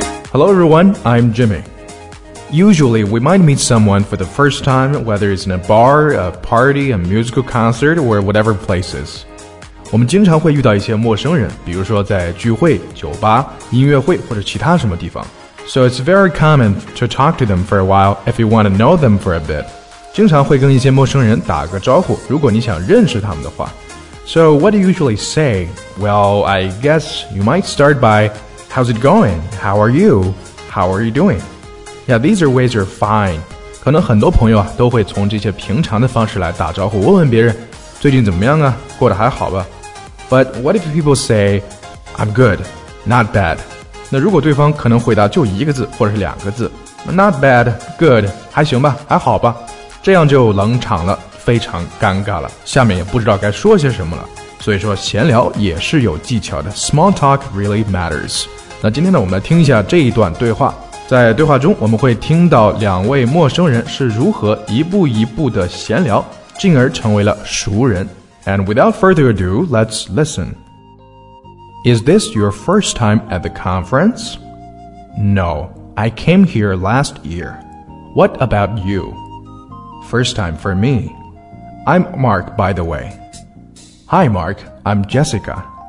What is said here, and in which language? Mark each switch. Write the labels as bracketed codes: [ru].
[en] Hello everyone, I'm Jimmy. Usually, we might meet someone for the first time, whether it's in a bar, a party, a musical concert, or whatever places. [zh] 我们经常会遇到一些陌生人，比如说在聚会、酒吧、音乐会或者其他什么地方。 [en] So it's very common to talk to them for a while if you want to know them for a bit. [zh] 经常会跟一些陌生人打个招呼，如果你想认识他们的话。 [en] So what do you usually say? Well, I guess you might start by, how's it going? How are you? How are you doing? Yeah, these are ways you're fine. [zh] 可能很多朋友啊都会从这些平常的方式来打招呼，问问别人最近怎么样啊，过得还好吧。 [en] But what if people say, I'm good, not bad? [zh] 那如果对方可能回答就一个字或者是两个字 [en] Not bad, good, [zh] 还行吧还好吧，这样就冷场了，非常尴尬了，下面也不知道该说些什么了。所以说闲聊也是有技巧的， [en] Small talk really matters。 [zh] 那今天呢，我们来听一下这一段对话。在对话中，我们会听到两位陌生人是如何一步一步的闲聊，进而成为了熟人。 [en] And without further ado, let's listen. Is this your first time at the conference? No, I came here last year. What about you? First time for me. I'm Mark, by the way. Hi, Mark. I'm Jessica.